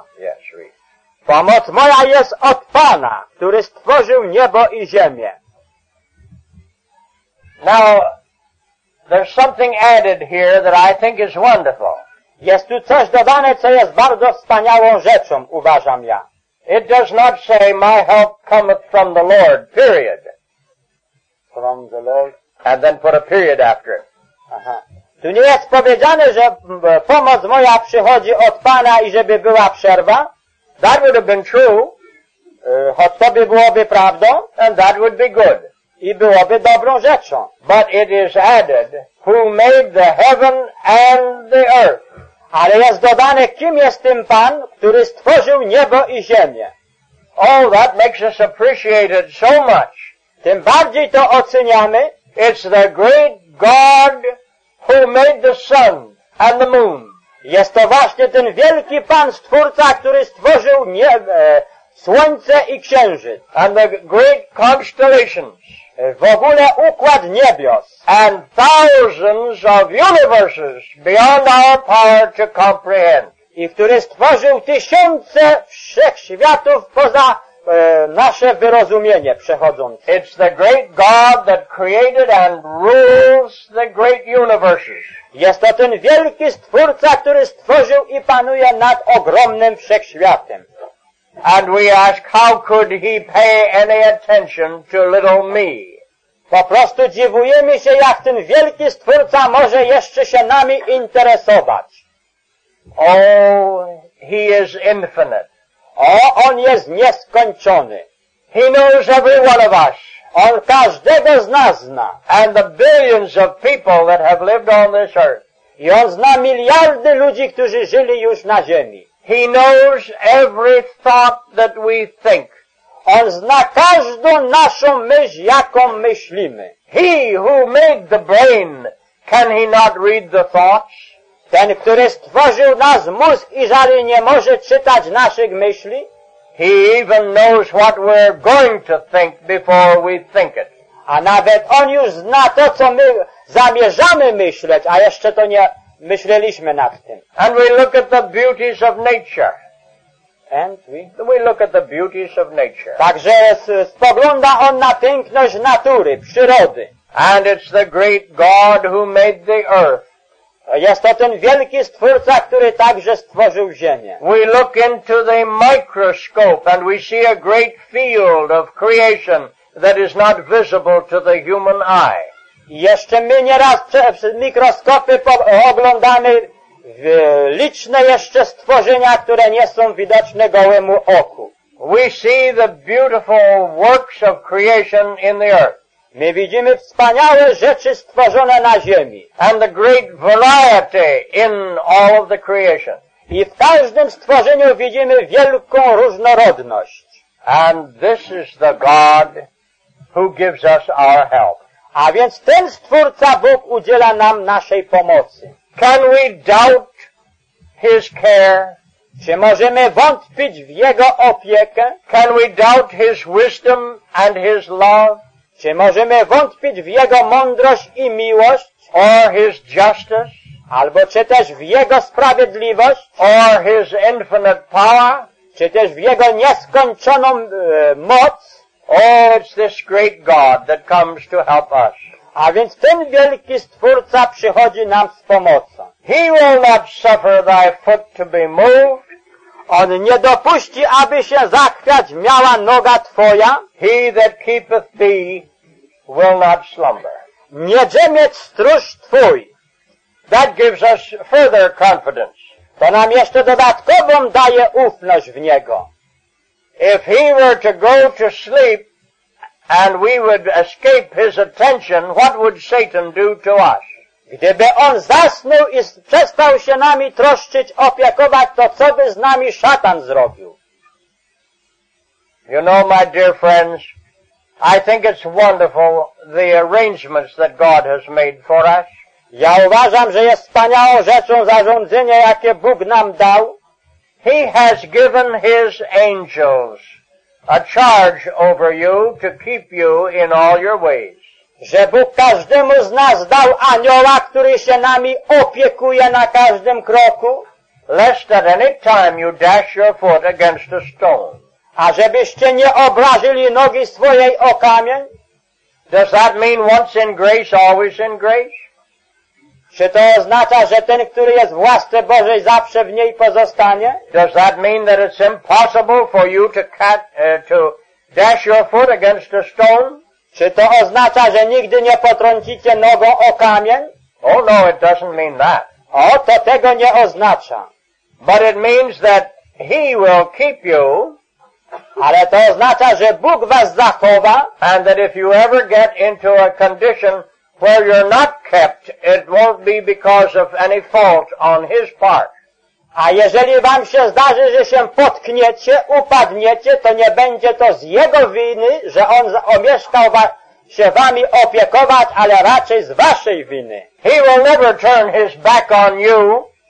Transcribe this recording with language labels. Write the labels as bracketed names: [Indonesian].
[English] Yes, read. [Polish] Pomoc moja jest od Pana, który stworzył niebo i ziemię. [English] Now, there's something added here that I think is wonderful. [Polish] Jest tu coś dodane, co jest bardzo wspaniałą rzeczą, uważam ja. [English] It does not say, my help cometh from the Lord, period. From the Lord. And then put a period after it. Aha. [Polish] Tu nie jest powiedziane, że pomoc moja przychodzi od Pana i żeby była przerwa. [English] That would have been true. [Polish] Choć to by byłoby prawdą. [English] And that would be good. [Polish] I byłoby dobrą rzeczą. [English] But it is added, who made the heaven and the earth. [Polish] Ale jest dodane, kim jest tym Pan, który stworzył niebo i ziemię. [English] Oh, that makes us appreciate it so much. [Polish] Tym bardziej to oceniamy. [English] It's the great God who made the sun and the moon. [Polish] Jest to właśnie ten wielki Pan Stwórca, który stworzył słońce i księżyc. [English] And the great constellations. [Polish] W ogóle układ niebios. [English] And thousands of universes beyond our power to comprehend. [Polish] I który stworzył tysiące wszechświatów poza nasze wyrozumienie przechodzące. [English] It's the great God that created and rules the great universes. [Polish] Jest to ten wielki Stwórca, który stworzył i panuje nad ogromnym wszechświatem. [English] And we ask, how could he pay any attention to little me? [Polish] Po prostu dziwujemy się, jak ten wielki Stwórca może jeszcze się nami interesować. [English] Oh, he is infinite. [Polish] O, on jest nieskończony. [English] He knows every one of us. [Polish] On każdego z nas zna. [English] And the billions of people that have lived on this earth. [Polish] I on zna miliardy ludzi, którzy żyli już na ziemi. [English] He knows every thought that we think. [Polish] On zna każdą naszą myśl, jaką myślimy. [English] He who made the brain, can he not read the thoughts? [Polish] Ten, który stworzył nas mózg i żaden nie może czytać naszych myśli. [English] He even knows what we're going to think before we think it. [Polish] A nawet on już zna to, co my zamierzamy myśleć, a jeszcze to nie myśleliśmy nad tym. [English] And we look at the beauties of nature. And we look at the beauties of nature. [Polish] Także spogląda on na piękność natury, przyrody. [English] And it's the great God who made the earth. [Polish] Jest to ten wielki Stwórca, który także stworzył ziemię. [English] We look into the microscope and we see a great field of creation that is not visible to the human eye. [Polish] Jeszcze my nieraz przez mikroskopy oglądamy liczne jeszcze stworzenia, które nie są widoczne gołemu oku. [English] We see the beautiful works of creation in the earth. [Polish] My widzimy wspaniałe rzeczy stworzone na ziemi. [English] And the great variety in all of the creation. [Polish] I w każdym stworzeniu widzimy wielką różnorodność. [English] And this is the God who gives us our help. [Polish] A więc ten Stwórca Bóg udziela nam naszej pomocy. [English] Can we doubt his care? [Polish] Czy możemy wątpić w jego opiekę? [English] Can we doubt his wisdom and his love? [Polish] Czy możemy wątpić w Jego mądrość i miłość? [English] Or His justice? [Polish] Albo czy też w Jego sprawiedliwość? [English] Or His infinite power? [Polish] Czy też w Jego nieskończoną moc? [English] Oh, it's this great God that comes to help us. [Polish] A więc ten wielki Stwórca przychodzi nam z pomocą. [English] He will not suffer thy foot to be moved. [Polish] On nie dopuści, aby się zachwiać miała noga twoja. [English] He that keepeth thee will not slumber. [Polish] Nie dziemieć stróż twój. [English] That gives us further confidence. [Polish] To nam jeszcze dodatkową daje ufność w Niego. [English] If he were to go to sleep and we would escape his attention, what would Satan do to us? [Polish] Gdyby on zasnął i przestał się nami troszczyć, opiekować, to co by z nami szatan zrobił? [English] You know, my dear friends, I think it's wonderful the arrangements that God has made for us. [Polish] Ja uważam, że jest wspaniałą rzeczą zarządzenie, jakie Bóg nam dał. [English] He has given his angels a charge over you to keep you in all your ways. [Polish] Że Bóg każdemu z nas dał anioła, który się nami opiekuje na każdym kroku. [English] Lest at any time you dash your foot against a stone. [Polish] A żebyście nie obrażyli nogi swojej o kamień. [English] Does that mean once in grace, always in grace? [Polish] Czy to oznacza, że ten, który jest w łasce Bożej, zawsze w niej pozostanie? [English] Does that mean that it's impossible for you to dash your foot against a stone? [Polish] Czy to oznacza, że nigdy nie potrącicie nogą o kamień? [English] Oh no, it doesn't mean that. [Polish] O, to tego nie oznacza. [English] But it means that he will keep you. [Polish] Ale to oznacza, że Bóg was zachowa. [English] And that if you ever get into a condition where you're not kept, it won't be because of any fault on his part. [Polish] A jeżeli wam się zdarzy, że się potkniecie, upadniecie, to nie będzie to z jego winy, że on omieszkał się wami opiekować, ale raczej z waszej winy. [English] He will never turn his back on you.